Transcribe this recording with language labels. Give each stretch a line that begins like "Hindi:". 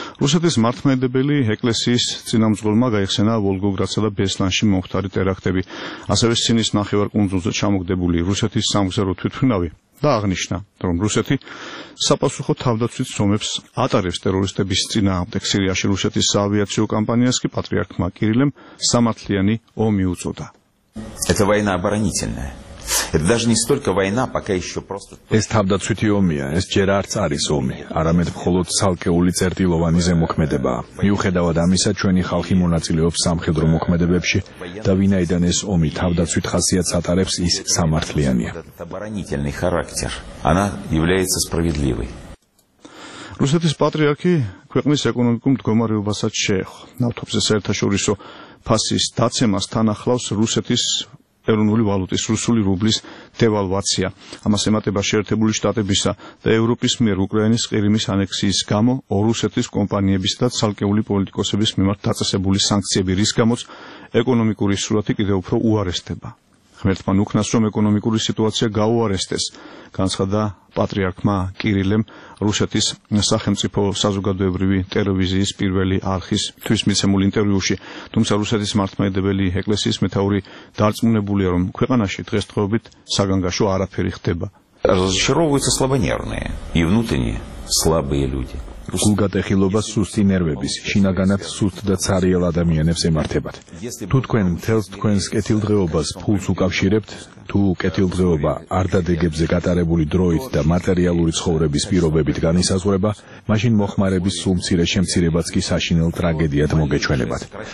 Georgian: რუსეთის მართლმადიდებელი ეკლესიის წინამძღოლმა გაიხსენა ვოლგოგრადსა და ბესლანში მომხდარი ტერაქტები, ასევე სინის ნახევარკუნძულზე ჩამოგდებული რუსეთის სამგზავრო თვითმფრინავი და აღნიშნა, რომ რუსეთი საპასუხო თავდაცვით ზომებს ატარებს ტერორისტების წინააღმდეგ. სირიაში რუსეთის საავიაციო კამპანიას კი პატრიარქმა კირილემ სამართლიანი ომი უწოდა.
Russian: Это война оборонительная. Это даже не столько война, пока ещё просто
Georgian: ეს თავდაცვითი ომია, ეს ჯერ არც არის ომი, არამედ მხოლოდ ცალკეული წერტილოვანი ზემოქმედება. მიუხედავად ამისა, ჩვენი ხალხი მონაწილეობს სამხედრო მოქმედებებში და ვინაიდან ეს ომი თავდაცვით ხასიათს ატარებს, ის სამართლიანია.
Russian: Оборонительный характер. Она является справедливой.
Georgian: რუსეთის პატრიარქი ქვეყნის ეკონომიკურ მდგომარეობასაც შეეხო. ნავთობზე საერთაშორისო ფასის დაცემას თან ახლავს რუსეთის ეროვნული ვალუტის რუსული რუბლის დევალვაცია. ამას ემატება შეერთებული შტატებისა და ევროპის მიერ უკრაინის ყირიმის ანექსიის გამო რუსეთის კომპანიების და ცალკეული პოლიტიკოსების მიმართ დაწესებული სანქციები, რის გამოც ეკონომიკური სურათი კიდევ უფრო უარესდება. ღმერთმან უქნას, რომ ეკონომიკური სიტუაცია გაუარესდეს, განცხადა პატრიარქმა კირილემ რუსეთის სახელმწიფო საზოგადოებრივი ტელევიზიის პირველი არხის თვის მიცემულ ინტერვიუში. თუმცა რუსეთის მართლმადიდებელი ეკლესიის მეთაური დარწმუნებულია, რომ ქვეყანაში დღესდღეობით საგანგაშო არაფერი ხდება.
Russian: Разочаровываются слабонервные и внутренне слабые люди.
Georgian: გულგატეხილობა სუსტი ნერვების, შინაგანად სუსტ და ცარიელ ადამიანებს ემართებათ. თუ თქვენ მთელს თქვენს კეთილდღეობას ფულს უკავშირებთ, თუ კეთილდღეობა არ დადეგებზე გატარებული დროით და მატერიალური ცხოვრების პირობებით განისაზღვრება, მაშინ მოხმარების სულ მცირე შემცირებაც კი საშინელ ტრაგედიად მოგეჩვენებათ.